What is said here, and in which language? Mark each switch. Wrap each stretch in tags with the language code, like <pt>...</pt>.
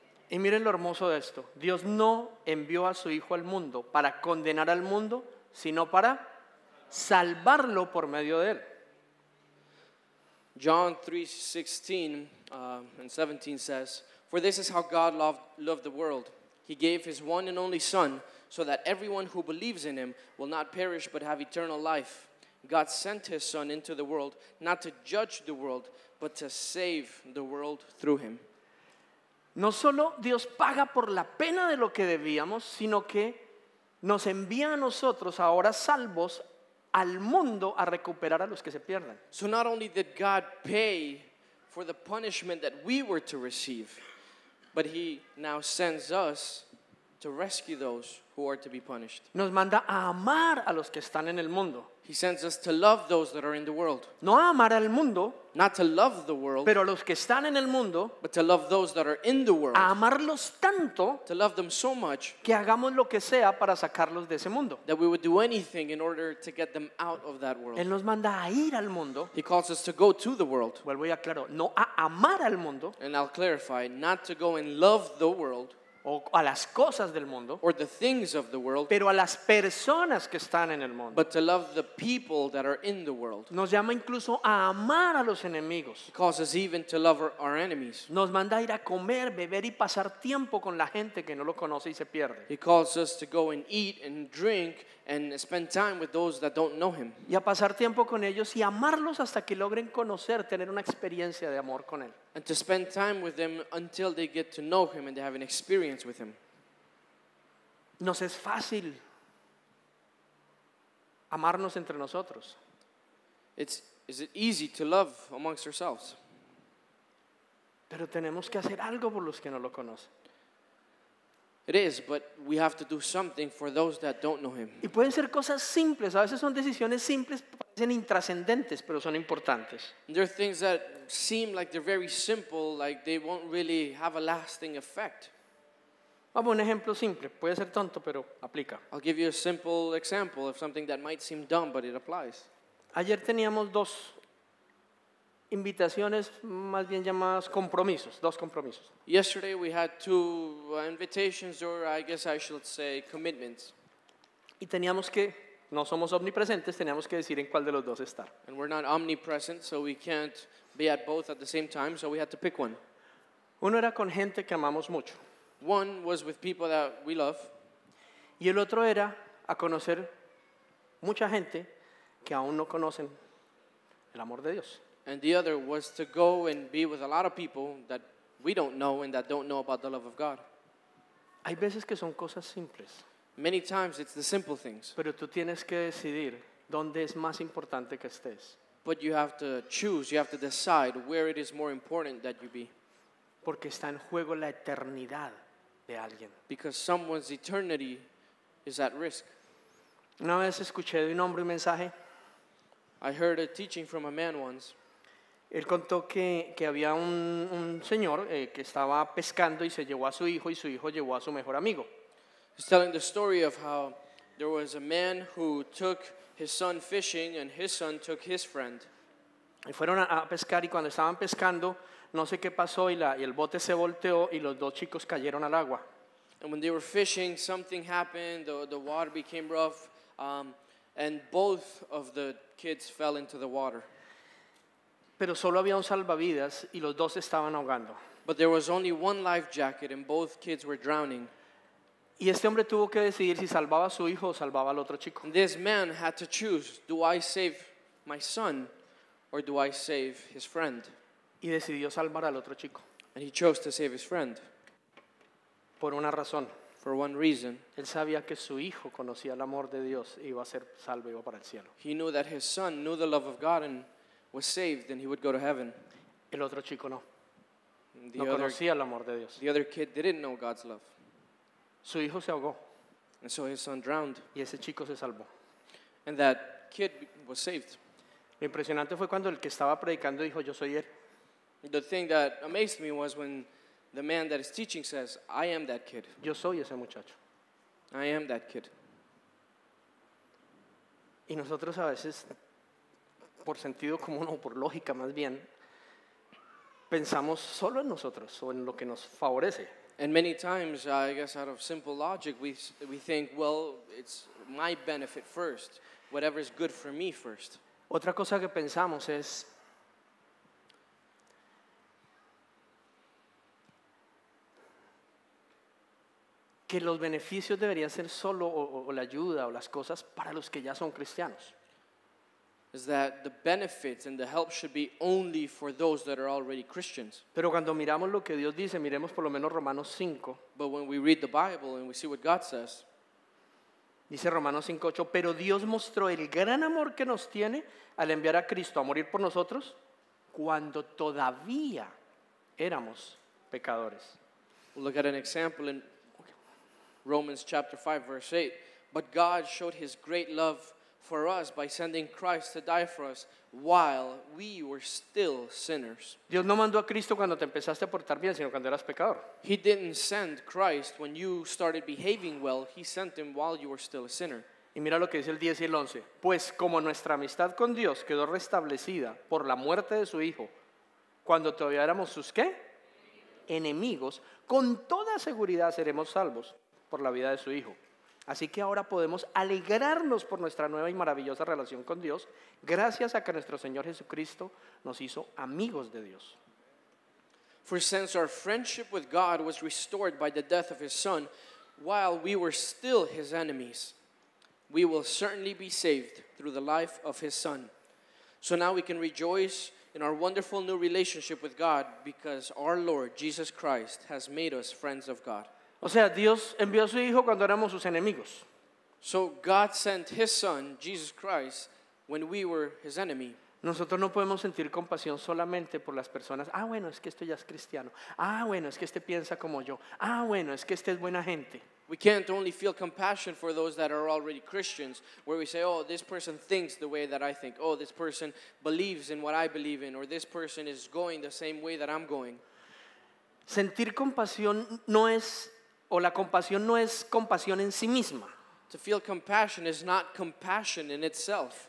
<es>Y miren lo hermoso de esto. Dios no envió a su hijo al mundo para condenar al mundo, sino para salvarlo por medio de él.</es> <en>John 3:16-17 says, for this is how God loved the world. He gave his one and only son so that everyone who believes in him will not perish but have eternal life. God sent his son into the world not to judge the world but to save the world through him.</en> <es>No solo Dios paga por la pena de lo que debíamos, sino que nos envía a nosotros ahora salvos al mundo a recuperar a los que se pierden.</es> <en>So not only did God pay for the punishment that we were to receive, but he now sends us to rescue those who are to be punished.</en> <es>Nos manda a amar a los que están en el mundo.</es> <en>He sends us to love those that are in the world.</en> <es>No a amar al mundo,</es> <en>not to love the world,</en> <es>pero a los que están en el mundo,</es> <en>but to love those that are in the world.</en> <es>A amarlos tanto,</es> <en>to love them so much,</en> <es>que hagamos lo que sea para sacarlos de ese mundo.</es> <en>That we would do anything in order to get them out of that world.</en> <es>Él nos manda a ir al mundo.</es> <en>He calls us to go to the world.</en> <es>Vuelvo y aclaro, no a amar al mundo.</es> <en>And I'll clarify, not to go and love the world.</en> <es>O a las cosas del mundo,</es> <en>or the things of the world,</en> <es>pero a las personas que están en el mundo.</es> <en>But to love the people that are in the world.</en> <es>Nos llama incluso a amar a los enemigos.</es> <en>It calls us even to love our enemies.</en> <es>Nos manda a ir a comer, beber y pasar tiempo con la gente que no lo conoce y se pierde.</es> <en>He calls us to go and eat and drink and spend time with those that don't know him.</en> <es>Y a pasar tiempo con ellos y amarlos hasta que logren conocer, tener una experiencia de amor con él.</es> <en>And to spend time with them until they get to know him and they have an experience with him.</en> <es>Nos es fácil amarnos entre nosotros.</es> <en>Is it easy to love amongst ourselves?</en> <es>Pero tenemos que hacer algo por los que no lo conocen.</es> <en>It is, but we have to do something for those that don't know him.</en> <es>Y pueden ser cosas simples. A veces son decisiones simples, parecen intrascendentes, pero son importantes.</es> <en>There are things that seem like they're very simple, like they won't really have a lasting effect.</en> <es>Vamos a un ejemplo simple. Puede ser tonto, pero aplica.</es> <en>I'll give you a simple example of something that might seem dumb, but it applies.</en> <es>Ayer teníamos dos invitaciones, más bien llamadas compromisos, dos compromisos.</es> <en>Yesterday we had two invitations, or I guess I should say commitments.</en> <es>Y teníamos que, no somos omnipresentes, teníamos que decir en cuál de los dos estar.</es> <en>And we're not omnipresent, so we can't be at both at the same time, so we had to pick one.</en> <es>Uno era con gente que amamos mucho.</es> <en>One was with people that we love.</en> <es>Y el otro era a conocer mucha gente que aún no conocen el amor de Dios.</es> <en>And the other was to go and be with a lot of people that we don't know and that don't know about the love of God.</en> <es>Hay veces que son cosas simples.</es> <en>Many times it's the simple things.</en> <es>Pero tú tienes que decidir dónde es más importante que estés.</es> <en>But you have to choose, you have to decide where it is more important that you be.</en> <es>Porque está en juego la eternidad de alguien.</es> <en>Because someone's eternity is at risk.</en> <es>Una vez escuché de un hombre un mensaje.</es> <en>I heard a teaching from a man once.</en> <es>Él contó que había un señor que estaba pescando y se llevó a su hijo y su hijo llevó a su mejor amigo.</es> <en>He's telling the story of how there was a man who took his son fishing and his son took his friend.</en> <es>Y fueron a pescar y cuando estaban pescando, no sé qué pasó y el bote se volteó y los dos chicos cayeron al agua.</es> <en>And when they were fishing, something happened, the water became rough, and both of the kids fell into the water.</en> <es>Pero solo había un salvavidas y los dos estaban ahogando.</es> <en>But there was only one life jacket and both kids were drowning.</en> <es>Y este hombre tuvo que decidir si salvaba a su hijo o salvaba al otro chico.</es> <en>This man had to choose, do I save my son or do I save his friend?</en> <es>Y decidió salvar al otro chico.</es> <en>And he chose to save his friend.</en> <es>Por una razón.</es> <en>For one reason.</en> <es>Él sabía que su hijo conocía el amor de Dios y iba a ser salvo y iba para el cielo.</es> <en>He knew that his son knew the love of God and was saved and he would go to heaven.</en> <es>El otro chico no. No conocía el amor de Dios.</es> <en>The other kid didn't know God's love.</en> <es>Su hijo se ahogó.</es> <en>And so his son drowned.</en> <es>Y ese chico se salvó.</es> <en>And that kid was saved.</en> <es>Lo impresionante fue cuando el que estaba predicando dijo, yo soy él.</es> <en>The thing that amazed me was when the man that is teaching says, I am that kid.</en> <es>Yo soy ese muchacho.</es> <en>I am that kid.</en> <es>Y nosotros a veces, por sentido común o por lógica más bien, pensamos solo en nosotros o en lo que nos favorece.</es> <en>And many times, I guess out of simple logic, we think, well, it's my benefit first, whatever is good for me first.</en> <es>Otra cosa que pensamos es, que los beneficios deberían ser solo o la ayuda o las cosas para los que ya son cristianos.</es> <en>Is that the benefits and the help should be only for those that are already Christians.</en> <es>Pero cuando miramos lo que Dios dice, miremos por lo menos Romanos 5.</es> <en>But when we read the Bible and we see what God says.</en> <es>Dice Romanos 5:8, pero Dios mostró el gran amor que nos tiene al enviar a Cristo a morir por nosotros cuando todavía éramos pecadores.</es> <en>We'll look at an example in Romans chapter 5 verse 8. But God showed his great love for us by sending Christ to die for us while we were still sinners.</en> <es>Dios no mandó a Cristo cuando te empezaste a portar bien, sino cuando eras pecador.</es> <en>He didn't send Christ when you started behaving well. He sent him while you were still a sinner.</en> <es>Y mira lo que dice el 10 y el 11. Pues como nuestra amistad con Dios quedó restablecida por la muerte de su hijo, cuando todavía éramos sus ¿qué? Enemigos, con toda seguridad seremos salvos por la vida de su hijo. Así que ahora podemos alegrarnos por nuestra nueva y maravillosa relación con Dios, gracias a que nuestro Señor Jesucristo nos hizo amigos de Dios.</es> <en>For since our friendship with God was restored by the death of his son, while we were still his enemies, we will certainly be saved through the life of his son. So now we can rejoice in our wonderful new relationship with God because our Lord Jesus Christ has made us friends of God.</en> <es>O sea, Dios envió a su hijo cuando éramos sus enemigos.</es> <en>So God sent his son, Jesus Christ, when we were his enemy.</en> <es>Nosotros no podemos sentir compasión solamente por las personas. Ah, bueno, es que esto ya es cristiano. Ah, bueno, es que este piensa como yo. Ah, bueno, es que este es buena gente.</es> <en>We can't only feel compassion for those that are already Christians, where we say, oh, this person thinks the way that I think. Oh, this person believes in what I believe in. Or this person is going the same way that I'm going.</en> <es>Sentir compasión no es... O la compasión no es compasión en sí misma.</es> <en>To feel compassion is not compassion in itself.</en>